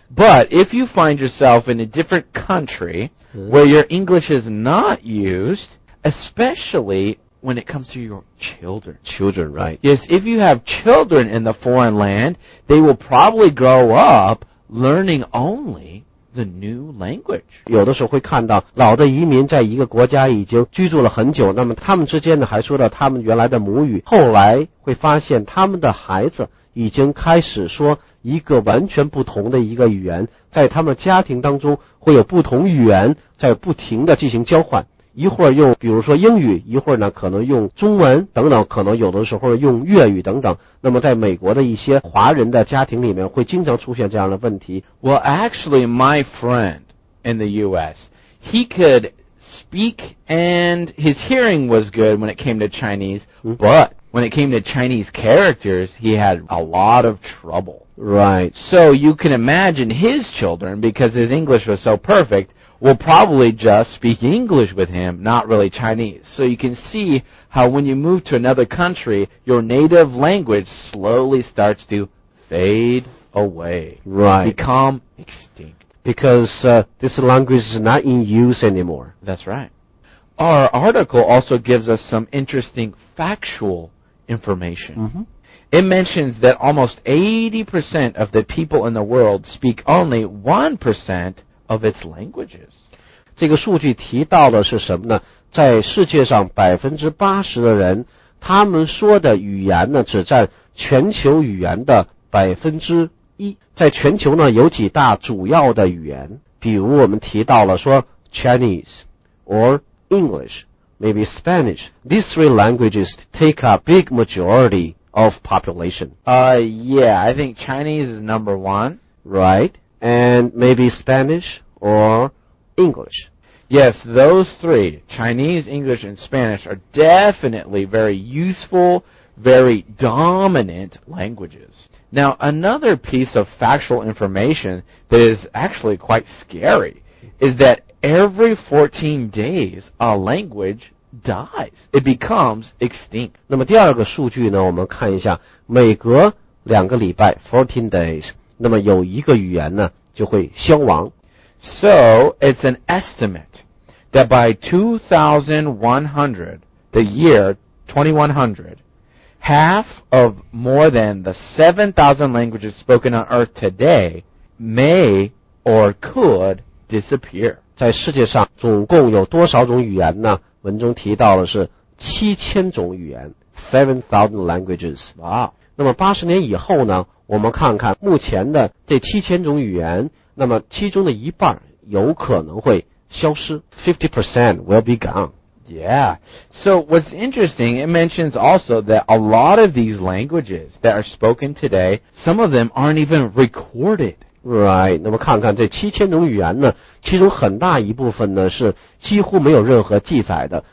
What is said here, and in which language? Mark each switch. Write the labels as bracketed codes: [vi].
[en] But if you find yourself in a different country where your English is not used, especially when it comes to your children. Children, right. Yes, if you have children in the foreign land, they will probably grow up learning only the new language. [zh] 有的时候会看到老的移民在一个国家已经居住了很久，那么他们之间呢还说了他们原来的母语，后来会发现他们的孩子已经开始说一个完全不同的一个语言，在他们家庭当中会有不同语言在不停地进行交换，一会儿用比如说英语，一会儿呢可能用中文等等，可能有的时候用粤语等等。那么在美国的一些华人的家庭里面会经常出现这样的问题。 [en] Well, actually, my friend in the US, he could speak and his hearing was good when it came to Chinese, but when it came to Chinese characters, he had a lot of trouble. Right. So you can imagine his children, because his English was so perfect,will probably just speak English with him, not really Chinese. So you can see how when you move to another country, your native language slowly starts to fade away. Right. Become extinct. Because this language is not in use anymore. That's right. Our article also gives us some interesting factual information. Mm-hmm. It mentions that almost 80% of the people in the world speak only 1%of its languages. [zh] 这个数据提到的是什么呢？在世界上80%的人，他们说的语言呢，只占全球语言的1%。在全球呢，有几大主要的语言，比如我们提到了说 [en] Chinese or English, maybe Spanish. These three languages take a big majority of population. Yeah, I think Chinese is number one. Right. And maybe Spanish or English. Yes, those three, Chinese, English, and Spanish, are definitely very useful, very dominant languages. Now, another piece of factual information that is actually quite scary is that every 14 days, a language dies. It becomes extinct. [zh] 那么第二个数据呢，我们看一下，每隔两个礼拜 , [en] 14 days, [zh] 那么有一个语言呢就会消亡。 [en] So, it's an estimate that by 2100, the year 2100, half of more than the 7,000 languages spoken on Earth today may or could disappear. [zh] 在世界上总共有多少种语言呢？文中提到的是7000种语言 , [en] 7,000 languages. Wow. [zh] 那么80年以后呢，我们看看目前的这7000种语言，那么其中的一半有可能会消失。 [en] 50% will be gone. Yeah. So what's interesting, it mentions also that a lot of these languages that are spoken today, some of them aren't even recorded. Right. [zh] 那么看看这7000种语言呢，其中很大一部分呢是几乎没有任何记载的。